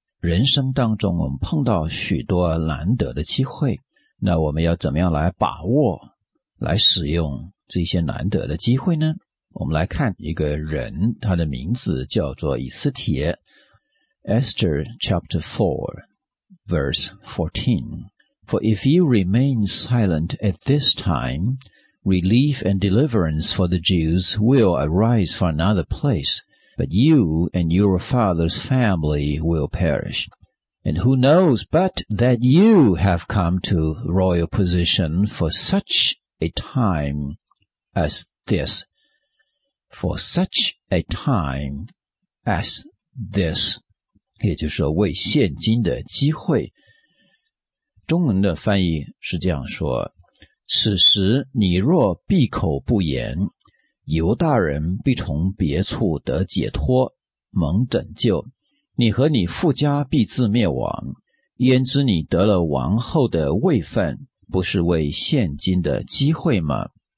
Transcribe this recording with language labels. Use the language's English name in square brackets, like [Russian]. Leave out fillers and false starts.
[Chinese] 人生当中我们碰到许多难得的机会，那我们要怎么样来把握来使用这些难得的机会呢？我们来看一个人，他的名字叫做以斯帖。 [English] Esther chapter 4 verse 14. For if you remain silent at this time, relief and deliverance for the Jews will arise from another place, but you and your father's family will perish. And who knows but that you have come to royal position for such a time as this. For such a time as this. [Chinese] 也就是说为现今的机会，中文的翻译是这样说，此时你若闭口不言，犹大人必从别处得解脱蒙拯救，你和你父家必自灭亡，焉知你得了王后的位分不是为现今的机会吗？